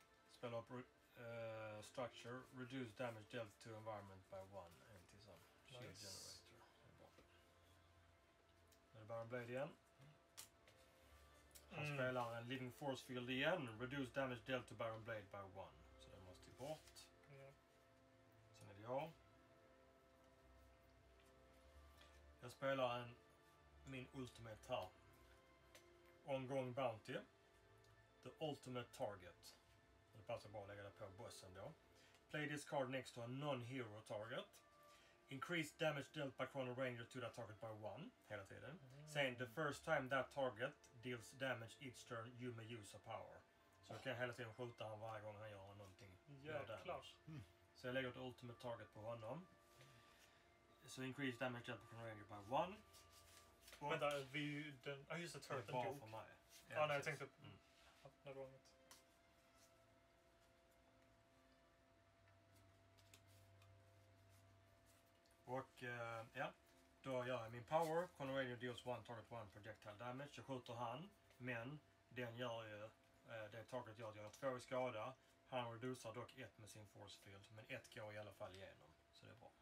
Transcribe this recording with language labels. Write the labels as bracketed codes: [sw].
[en] Spell up structure, reduce damage dealt to environment by 1 and to some shield nice. Generator. [sv] Nu är det Baron Blade igen. Han spelar en [en] Living Force Field igen, reduce damage dealt to Baron Blade by 1. [sv] Så den måste ju bort. [en] Yeah. [sv] Sen är det jag. Jag spelar en min ultimate här. Ongoing Bounty. [en] The ultimate target. [sv] Det passar bara att lägga det på bossen då. [en] Play this card next to a non-hero target. Increase damage dealt by Chrono Ranger to that target by 1. [sv] Hela tiden. [en] Saying the first time that target deals damage each turn you may use a power. [sv] Så jag kan hela tiden skjuta honom varje gång han gör någonting. Jäklar. Mm. Så jag lägger ett ultimate target på honom. [en] Så increase damage dealt by Chrono Ranger by 1. [sv] Vänta, [en] just a turret [sv] den dog. För mig. Ja, nej, jag tänkte på något annat. Och ja, då gör jag min power, [en] Chrono Ranger deals 1 target 1 projectile damage, [sv] jag skjuter han, men den gör ju, det target gör att jag har 2 i skada, han reducerar dock 1 med sin force field, men 1 går i alla fall igenom, så det är bra.